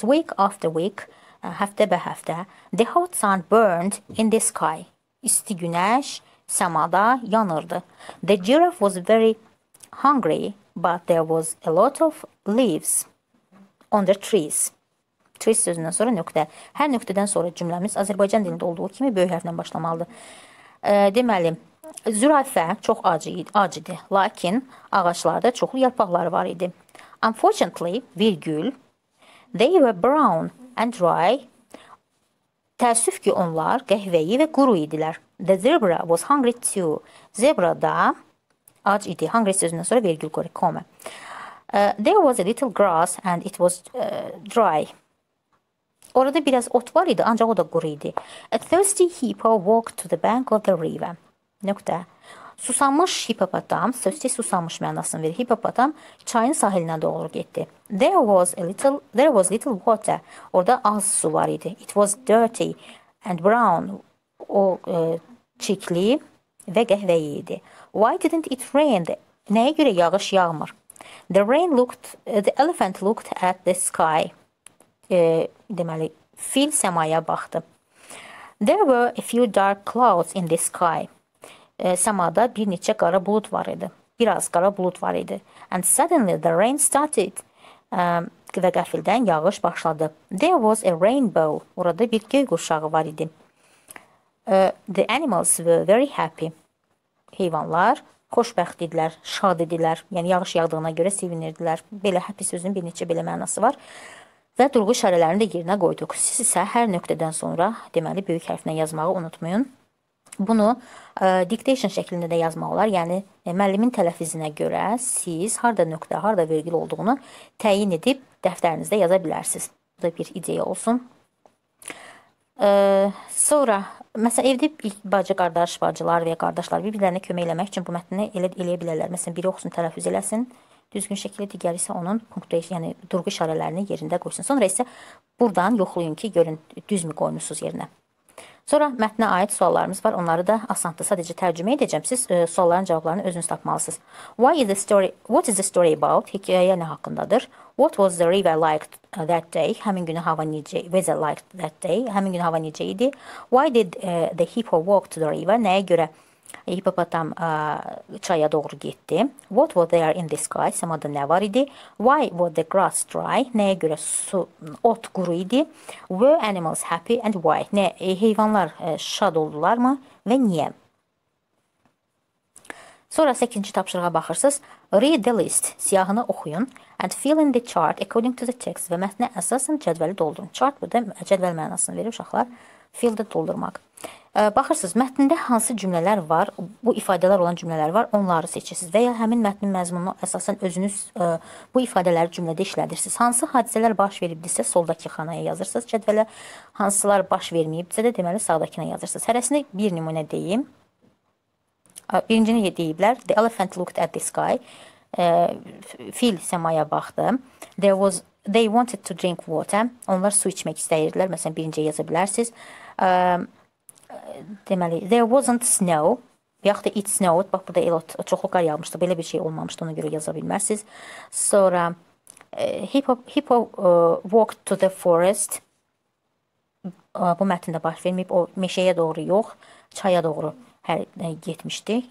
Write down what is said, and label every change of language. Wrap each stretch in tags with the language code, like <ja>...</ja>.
<en>Week after week,</en> <az>həftə bə həftə.</az> <en>The hot sun burned in the sky.</en> <az>İsti günəş səmada yanırdı.</az> <en>The giraffe was very hungry, but there was a lot of leaves on the trees.</en> <az>Trees sözündən sonra nöqtə. Hər nöqtədən sonra cümləmiz Azərbaycan dilində olduğu kimi böyük hərflə başlamalıdır. Deməli, zürafə çox acıdı, lakin ağaclarda çoxlu yarpaqları var idi.</az> <en>Unfortunately, virgül, they were brown and dry.</en> <az>Təəssüf ki, onlar qəhvəyi və quru idilər.</az> <en>The zebra was hungry too.</en> <az>Zebra da ac idi. Hungry sözündən sonra virgül qoyur, koma.</az> <en>There was a little grass and it was dry.</en> <az>Orada biraz ot var idi, ancaq o da quru idi.</az> <en>A thirsty hippo walked to the bank of the river.</en> <az>Nöqtə. Susamış hippopotam, thirsty susamış mənasını verir. Hippopotam çayın sahilinə doğru getdi.</az> <en>There was little water.</en> <az>Orada az su var idi.</az> <en>It was dirty and brown.</en> <az>O çirkli və qəhvəyi idi.</az> <en>Why didn't it rain?</en> <az>Nəyə görə yağış yağmır?</az> <en>The elephant looked at the sky.</en> <az>Deməli, fil səmaya baxdı.</az> <en>There were a few dark clouds in the sky.</en> <az>Səmada bir neçə qara bulud var idi. Biraz qara bulud var idi.</az> <en>And suddenly the rain started.</en> <az>Və qəfildən yağış başladı.</az> <en>There was a rainbow.</en> <az>Orada bir göy qurşağı var idi.</az> <en>The animals were very happy.</en> <az>Heyvanlar xoşbəxt idilər, şad idilər. Yəni, yağış yağdığına görə sevinirdilər. Belə happy sözün bir neçə belə mənası var. Və durğu işarələrini də yerinə qoyduq. Siz isə hər nöqtədən sonra, deməli, böyük hərflə yazmağı unutmayın. Bunu dictation şəklində də yazmaq olar. Yəni, müəllimin tələffüzünə görə siz harda nöqtə, harda virgül olduğunu təyin edib dəftərinizdə yaza bilərsiniz. Bu da bir ideya olsun. Sonra, məsələn, evdə bacı, qardaş, bacılar və ya qardaşlar bir-birlərinə kömək eləmək üçün bu mətni eləyə bilərlər. Məsələn, biri oxusun, tələffüz eləsin. Düzgün şəkildə digər isə onun punktuasiya, yəni durğu işarələrini yerində qoysun. Sonra isə buradan yoxlayın ki, görün düzmü qoymuşsunuz yerinə. Sonra mətnə aid suallarımız var. Onları da asandır. Sadəcə tərcümə edəcəm. Siz sualların cavablarını özünüz tapmalısınız.</az> <en>Why is the story? What is the story about?</en> <az>Hekayə nə haqqındadır?</az> <en>What was the river like that day?</en> <az>Həmin günü hava necə?</az> <en>Weather like that day?</en> <az>Həmin günü hava necə idi?</az> <en>Why did the hippo walk to the river?</en> <az>Nəyə görə hippopotam çaya doğru getdi.</az> <en>What was there in the sky?</en> <az>Səmada nə var idi?</az> <en>Why was the grass dry?</en> <az>Nəyə görə su, ot quru idi?</az> <en>Were animals happy and why?</en> <az>Nə, heyvanlar şad oldular mı? Və niyə? Sonra 8-ci tapşırığa baxırsınız.</az> <en>Read the list.</en> <az>Siyahını oxuyun.</az> <en>And fill in the chart according to the text.</en> <az>Və mətnə əsasən cədvəli doldurun. Chart burada cədvəl mənasını verir uşaqlar. Fill-də doldurmaq. Baxırsınız, mətnində hansı cümlələr var, bu ifadələr olan cümlələr var, onları seçirsiniz və ya həmin mətnin məzmununu əsasən özünüz bu ifadələri cümlədə işlədirsiniz. Hansı hadisələr baş veribdirsə, soldakı xanaya yazırsınız cədvələ, hansılar baş verməyibdirsə də deməli sağdakına yazırsınız. Hərəsində bir nümunə deyim. Birincini deyiblər,</az> <en>the elephant looked at the sky,</en> <az>fil səmaya baxdı,</az> <en>They wanted to drink water.</en> <az>Onlar su içmek istəyirdilər. Məsələn, birinci yazabilirsiniz.</az> <en>Deməli, there wasn't snow. Yaxud da it snowed.</en> <az>Bax, burada elot çoxlu qar yağmışdı. Belə bir şey olmamışdı. Ona görə yaza bilmərsiniz. Sonra,</az> <en>hippo walked to the forest.</en> <az>Bu mətndə baş verməyib. O meşəyə doğru yox, çaya doğru getmişdi.</az>